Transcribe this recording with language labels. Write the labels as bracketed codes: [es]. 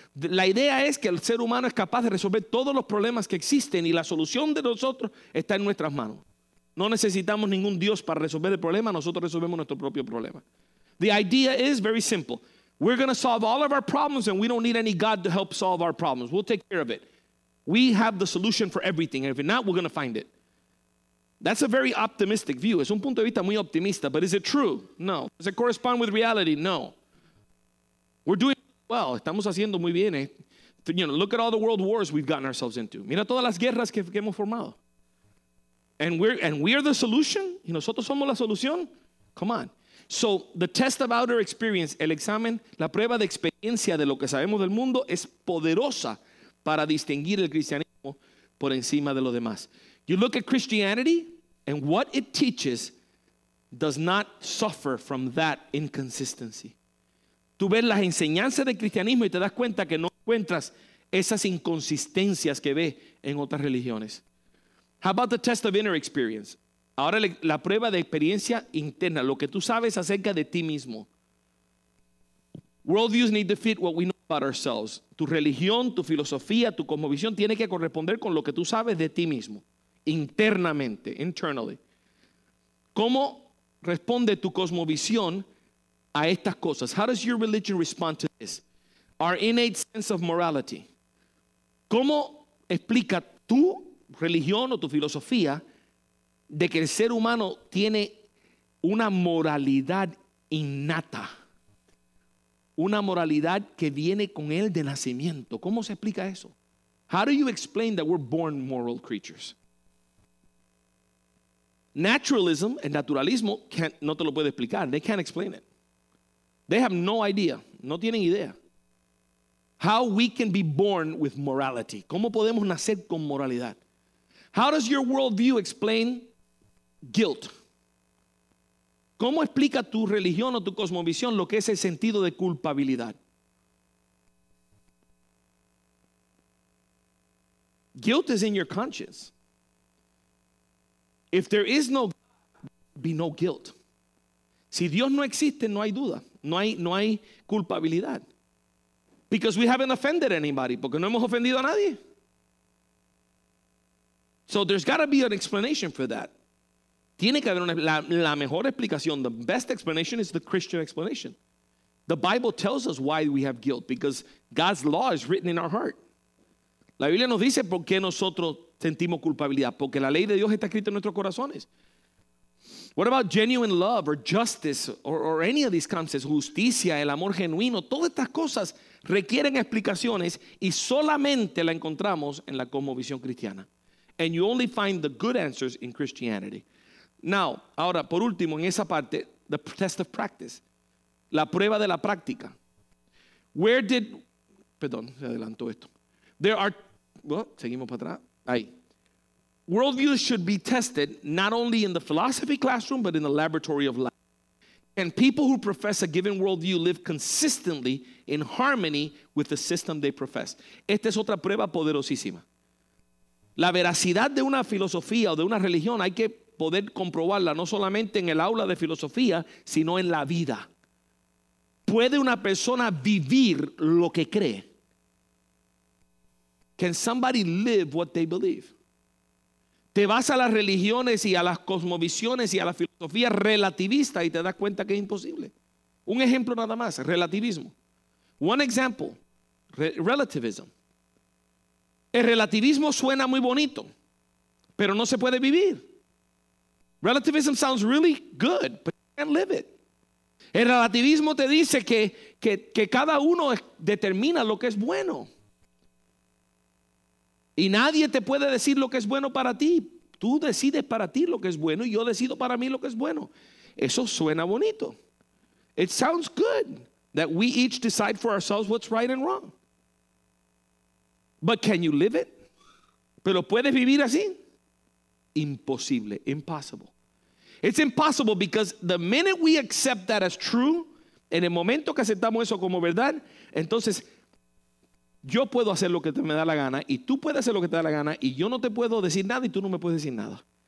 [es] La idea es que el ser humano es capaz de resolver todos los problemas que existen y la solución de nosotros está en nuestras manos. No necesitamos ningún Dios para resolver el problema, nosotros resolvemos nuestro propio problema. [en] The idea is very simple. We're going to solve all of our problems and we don't need any God to help solve our problems. We'll take care of it. We have the solution for everything and if not, we're going to find it. That's a very optimistic view. [es] Es un punto de vista muy optimista, [en] but is it true? No. Does it correspond with reality? No. We're doing well. [es] Estamos haciendo muy bien. [en] You know, look at all the world wars we've gotten ourselves into. [es] Mira todas las guerras que hemos formado. [en] And we're the solution? [es] ¿Y nosotros somos la solución? [en] Come on. So the test of outer experience, [es] el examen, la prueba de experiencia de lo que sabemos del mundo es poderosa para distinguir el cristianismo por encima de lo demás. [en] You look at Christianity and what it teaches does not suffer from that inconsistency. [es] Tú ves las enseñanzas del cristianismo y te das cuenta que no encuentras esas inconsistencias que ves en otras religiones. [en] How about the test of inner experience? [es] Ahora la prueba de experiencia interna, lo que tú sabes acerca de ti mismo. [en] Worldviews need to fit what we know about ourselves. [es] Tu religión, tu filosofía, tu cosmovisión tiene que corresponder con lo que tú sabes de ti mismo, internamente, internally. ¿Cómo responde tu cosmovisión a estas cosas? [en] How does your religion respond to this? Our innate sense of morality. [es] ¿Cómo explica tu religión o tu filosofía de que el ser humano tiene una moralidad innata, una moralidad que viene con él de nacimiento. ¿Cómo se explica eso? [en] How do you explain that we're born moral creatures? [es] Naturalism, el naturalismo, no te lo puede explicar. [en] They can't explain it. They have no idea. [es] No tienen idea. [en] How we can be born with morality. [es] ¿Cómo podemos nacer con moralidad? [en] How does your worldview explain guilt? [es] ¿Cómo explica tu religión o tu cosmovisión lo que es el sentido de culpabilidad? [en] Guilt is in your conscience. If there is no God, be no guilt. [es] Si Dios no existe, no hay duda. No hay culpabilidad. [en] Because we haven't offended anybody. [es] Porque no hemos ofendido a nadie. [en] So there's got to be an explanation for that. [es] Tiene que haber la mejor explicación. [en] The best explanation is the Christian explanation. The Bible tells us why we have guilt. Because God's law is written in our heart. [es] La Biblia nos dice por qué nosotros sentimos culpabilidad. Porque la ley de Dios está escrita en nuestros corazones. [en] What about genuine love or justice or any of these concepts? [es] Justicia, el amor genuino. Todas estas cosas requieren explicaciones y solamente la encontramos en la cosmovisión cristiana. [en] And you only find the good answers in Christianity. Now, [es] ahora, por último, en esa parte, [en] the test of practice. [es] La prueba de la práctica. [en] Worldviews should be tested not only in the philosophy classroom, but in the laboratory of life. And people who profess a given worldview live consistently in harmony with the system they profess. [es] Esta es otra prueba poderosísima. La veracidad de una filosofía o de una religión hay que poder comprobarla no solamente en el aula de filosofía, sino en la vida. ¿Puede una persona vivir lo que cree? [en] Can somebody live what they believe? [es] Te vas a las religiones y a las cosmovisiones y a la filosofía relativista y te das cuenta que es imposible. Un ejemplo nada más, relativismo. [en] One example, relativism. [es] El relativismo suena muy bonito, pero no se puede vivir. [en] Relativism sounds really good, but you can't live it. [es] El relativismo te dice que cada uno determina lo que es bueno. Y nadie te puede decir lo que es bueno para ti. Tú decides para ti lo que es bueno y yo decido para mí lo que es bueno. Eso suena bonito. [en] It sounds good that we each decide for ourselves what's right and wrong. But can you live it? [es] ¿Pero puedes vivir así? Imposible. [en] Impossible. It's impossible because the minute we accept that as true, [es] en el momento que aceptamos eso como verdad, entonces yo puedo hacer lo que te me da la gana y tú puedes hacer lo que te da la gana y yo no te puedo decir nada y tú no me puedes decir nada.